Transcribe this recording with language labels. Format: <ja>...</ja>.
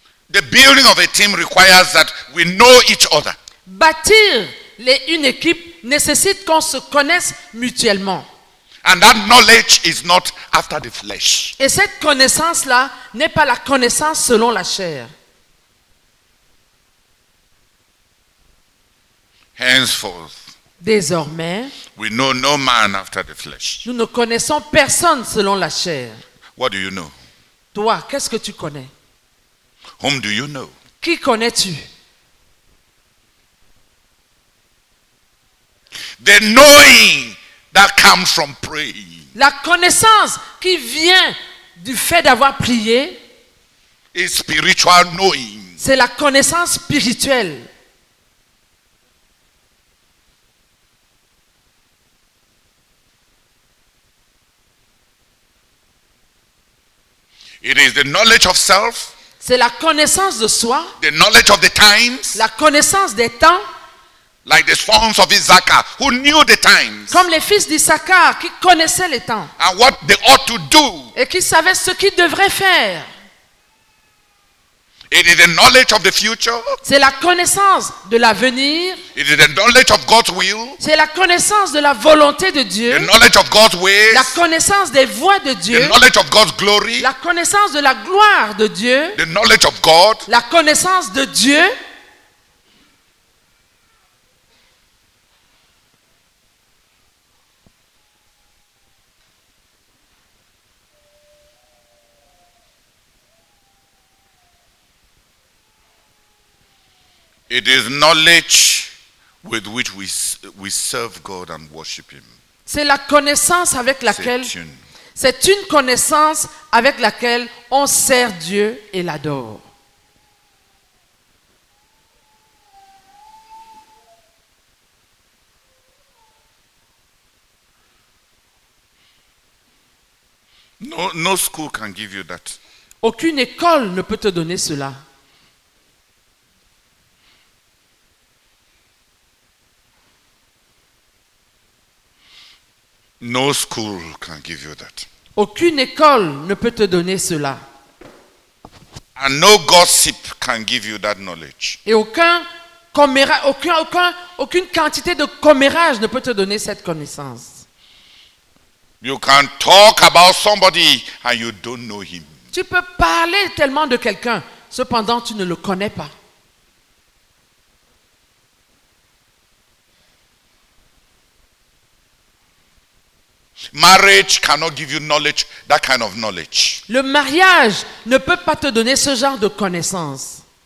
<en>The building of a team requires that we know each other.</en> <fr>Bâtir les une équipe nécessite qu'on se connaisse mutuellement.</fr> <en>And that knowledge is not after the flesh.</en> <fr>Et cette connaissance-là n'est pas la connaissance selon la chair.</fr> <en>Henceforth,</en> <fr>désormais,</fr> <en>we know no man after the flesh.</en> <fr>Nous ne connaissons personne selon la chair.</fr> <en>What do you know?</en> <fr>Toi, qu'est-ce que tu connais?</fr> <en>Whom do you know?</en> <fr>Qui connais-tu?</fr> <en>The knowing that comes from praying.</en> <fr>La connaissance qui vient du fait d'avoir prié</fr> <en>is spiritual knowing.</en> <fr>C'est la connaissance spirituelle.</fr> <en>It is the knowledge of self.</en> <fr>C'est la connaissance de soi.</fr> <en>The knowledge of the times.</en> <fr>La connaissance des temps.</fr> <en>Like the sons of Issachar, who knew the times.</en> <fr>Comme les fils d'Issachar qui connaissaient les temps.</fr> <en>And what they ought to do.</en> <fr>Et qui savaient ce qu'ils devraient faire.</fr> <en>It is the knowledge of the future.</en> <fr>C'est la connaissance de l'avenir.</fr> <en>It is the knowledge of God's will.</en> <fr>C'est la connaissance de la volonté de Dieu.</fr> <en>The knowledge of God's ways.</en> <fr>La connaissance des voies de Dieu.</fr> <en>The knowledge of God's glory.</en> <fr>La connaissance de la gloire de Dieu.</fr> <en>The knowledge of God.</en> <fr>La connaissance de Dieu.</fr> <en>It is knowledge with which we serve God and worship Him.</en> <fr>C'est la connaissance avec laquelle c'est une connaissance avec laquelle on sert Dieu et l'adore.</fr> <en>No school can give you that.</en> <fr>Aucune école ne peut te donner cela.</fr> <en>No school can give you that.</en> <fr>Aucune école ne peut te donner cela.</fr> <en>And no gossip can give you that knowledge.</en> <fr>Et aucune quantité de commérage ne peut te donner cette connaissance.</fr> <en>You can talk about somebody and you don't know him.</en> <fr>Tu peux parler tellement de quelqu'un, cependant tu ne le connais pas.</fr> <en>Marriage cannot give you knowledge, that kind of knowledge.</en> <fr>Le mariage ne peut pas te donner ce genre de connaissance.</fr>